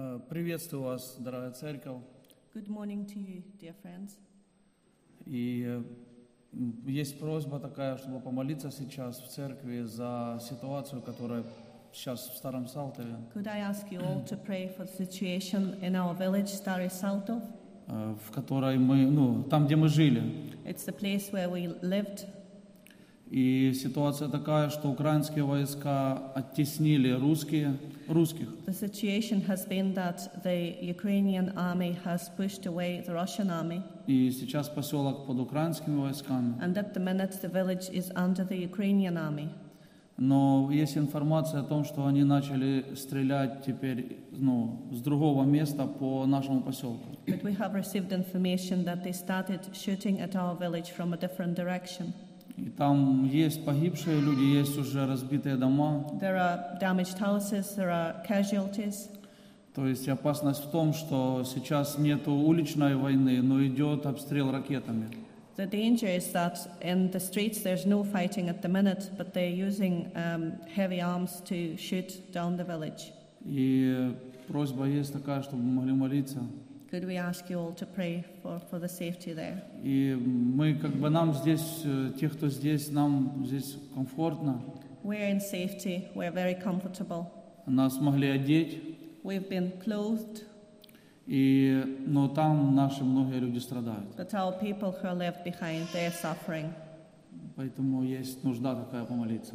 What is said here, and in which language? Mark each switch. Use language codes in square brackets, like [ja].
[ru] Приветствую вас, дорогая церковь. [en] Good morning to you, dear friends. [ru] И есть просьба такая, чтобы помолиться сейчас в церкви за ситуацию, которая сейчас в Старом Салтове. [en] Could I ask you all to pray for the situation in our village, Starý Saltov? [ru] В которой мы, ну, там, где мы жили. [en] It's the place where we lived. [ru] И ситуация такая, что украинские войска оттеснили русских. [en] The situation has been that the Ukrainian army has pushed away the Russian army. [ru] И сейчас поселок под украинскими войсками. [en] And at the minute the village is under the Ukrainian army. [ru] Но есть информация о том, что они начали стрелять теперь, ну, с другого места по нашему поселку. [en] But we have received information that they started shooting at our village from a different direction. [ru] И там есть погибшие люди, есть уже разбитые дома. [en] There are damaged houses, there are casualties. [ru] То есть опасность в том, что сейчас нету уличной войны, но идет обстрел ракетами. [en] The danger is that in the streets there's no fighting at the minute, but they're using heavy arms to shoot down the village. [ru] И просьба есть такая, чтобы могли молиться. [en] Could we ask you all to pray for the safety there? [ru] И мы как бы нам здесь, те, кто здесь, нам здесь комфортно. [en] We're in safety. We're very comfortable. [ru] Нас могли одеть. [en] We've been clothed. [ru] И, но там наши многие люди страдают. [en] But our people who are left behind, they're suffering. [ru] Поэтому есть нужда такая помолиться.